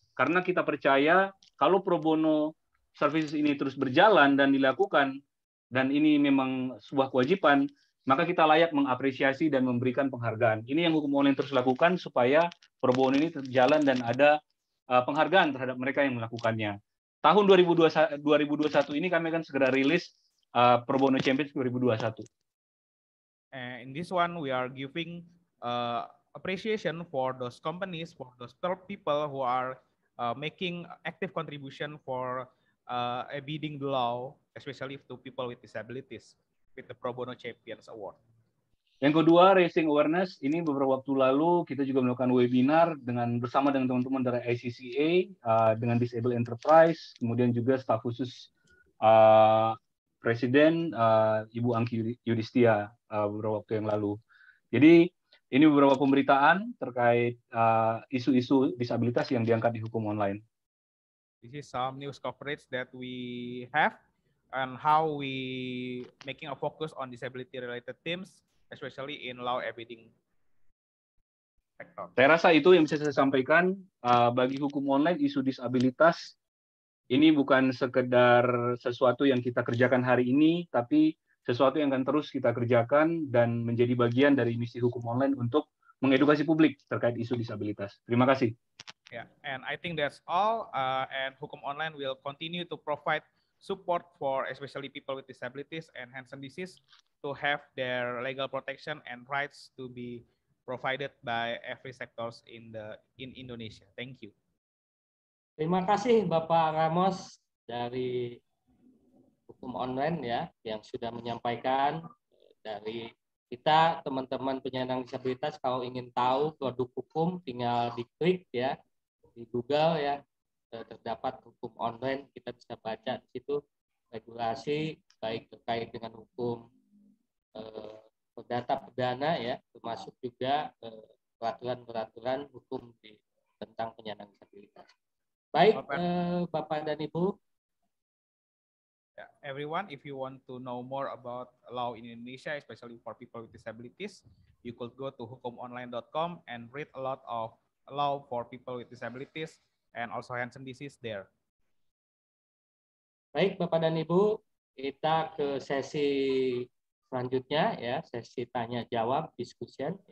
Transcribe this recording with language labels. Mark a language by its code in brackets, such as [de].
[id] Karena kita percaya kalau pro bono services ini terus berjalan dan dilakukan, dan ini memang sebuah kewajiban, maka kita layak mengapresiasi dan memberikan penghargaan. Ini yang hukum online terus lakukan supaya pro bono ini terjalan dan ada penghargaan terhadap mereka yang melakukannya. Tahun 2021 ini kami akan segera rilis Pro Bono Champions 2021. [en] In this one, we are giving appreciation for those companies, for those 12 people who are making active contribution for abiding the law, especially to people with disabilities, with the Pro Bono Champions Award. [id] Yang kedua, [en] raising awareness. [id] Ini beberapa waktu lalu kita juga melakukan webinar dengan bersama dengan teman-teman dari ICCA, dengan Disabled Enterprise, kemudian juga staf khusus Presiden Ibu Angki Yudhistia beberapa waktu yang lalu. Jadi ini beberapa pemberitaan terkait isu-isu disabilitas yang diangkat di hukum online. [en] This is some news coverage that we have and how we making a focus on disability related themes, especially in law abiding sector. [id] Saya rasa itu yang bisa saya sampaikan bagi hukum online. Isu disabilitas ini bukan sekedar sesuatu yang kita kerjakan hari ini, tapi sesuatu yang akan terus kita kerjakan dan menjadi bagian dari misi hukum online untuk mengedukasi publik terkait isu disabilitas. Terima kasih. [en] Yeah, and I think that's all. And hukum online will continue to provide support for especially people with disabilities and Hansen disease to have their legal protection and rights to be provided by every sectors in Indonesia. Thank you. [id] Terima kasih Bapak Ramos dari Hukum Online ya, yang sudah menyampaikan dari kita teman-teman penyandang disabilitas. Kalau ingin tahu produk hukum tinggal diklik ya di Google ya, terdapat hukum online, kita bisa baca di situ regulasi baik terkait dengan hukum perdata perdana ya, termasuk juga peraturan-peraturan hukum di tentang penyandang disabilitas. Baik, Bapak dan Ibu. [en] Yeah, everyone, if you want to know more about law in Indonesia, especially for people with disabilities, you could go to hukumonline.com and read a lot of law for people with disabilities and also Hansen disease there. [id] Baik, Bapak dan Ibu, kita ke sesi selanjutnya ya, sesi tanya jawab, diskusi.